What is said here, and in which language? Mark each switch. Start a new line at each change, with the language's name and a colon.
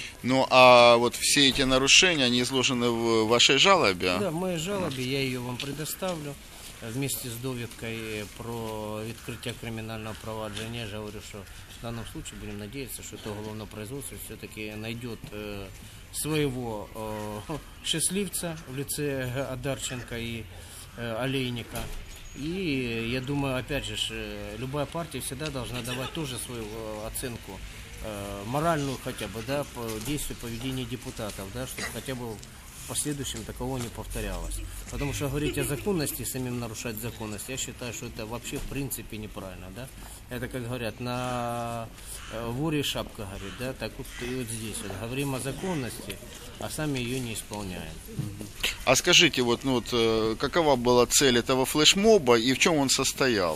Russian: Ну а вот все эти нарушения, они изложены в вашей жалобе? Да, в моей жалобе, я ее вам предоставлю.
Ukrainian: Вместе с довідкой про відкриття кримінального провадження, я говорю, що в даному случаї будемо надіятися, що це головне производство все-таки знайде свого щасливця в лице Одарченка і Олейника. І я думаю, опять же, будь-яка партія завжди повинна давати теж свою оцінку, моральну хоча б, да, по дійсному поведінню депутатів, да, щоб хоча б
Russian: в последующем такого не повторялось. Потому что говорить о законности, самим нарушать законность, я считаю, что это вообще в принципе неправильно, да? Это, как говорят, на воре шапка горит, да? Так вот, и вот здесь вот. Говорим о законности, а сами ее не исполняем. А скажите, вот, ну вот, какова была цель этого флешмоба и в чем он состоял?